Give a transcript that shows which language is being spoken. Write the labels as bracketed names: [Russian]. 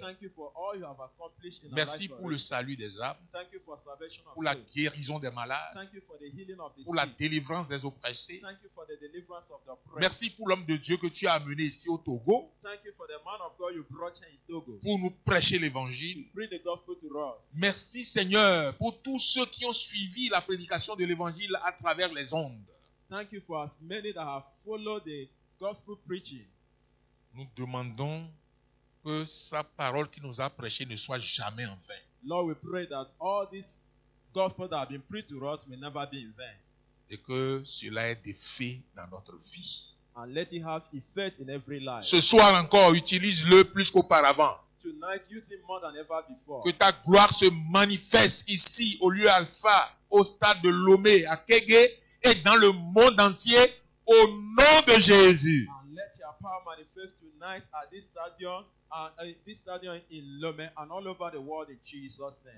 [English] Thank you for all you have accomplished in [French] merci pour le salut des âmes. [English] Thank you for salvation [French] pour la guérison des malades. [English] Thank you for the healing of the [French] pour La délivrance des oppressés. [English] Thank you for the deliverance of the oppressed. [French] Merci pour l'homme de Dieu que tu as amené ici au Togo. [English] Thank you for the man of God you brought here in Togo. [French] Pour nous prêcher l'évangile. [English] To bring the gospel to us. [French] Merci Seigneur pour tous ceux qui ont suivi la prédication de l'évangile à travers les ondes. [English] Thank you for as many that have followed the gospel preaching. [French] Nous demandons que sa parole qui nous a prêchée ne soit jamais en vain. [English] Lord, we pray that all this gospel that has been preached to us may never be in vain. [French] Et que cela ait des faits dans notre vie. [English] And let it have effect in every life. [French] Ce soir encore, utilise-le plus qu'auparavant. [English] Tonight, use it more than ever before. [French] Que ta gloire se manifeste ici, au lieu Alpha, au stade de Lomé, à Kégué, et dans le monde entier, au nom de Jésus. [English] And let your power manifest tonight at this stadium, this stadium in Lomé, and all over the world in Jesus' name.